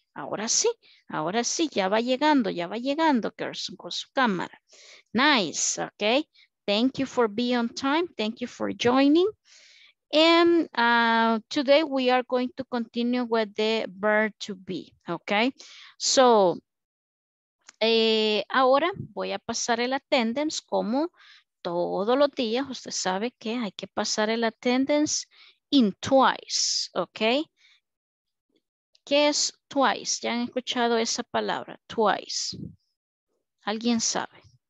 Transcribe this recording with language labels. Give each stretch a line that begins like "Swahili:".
Spanish: Ahora sí, ya va llegando Gerson con su cámara.
English: Nice, ok. Thank you for being on time. Thank you for joining. And today we are going to continue with the verb to be, ok.
Spanish: So, ahora voy a pasar el attendance como todos los días. Usted sabe que hay que pasar el attendance
English: in twice,
Spanish: ¿ok? ¿Qué es twice? ¿Ya han escuchado esa palabra? Twice. ¿Alguien sabe?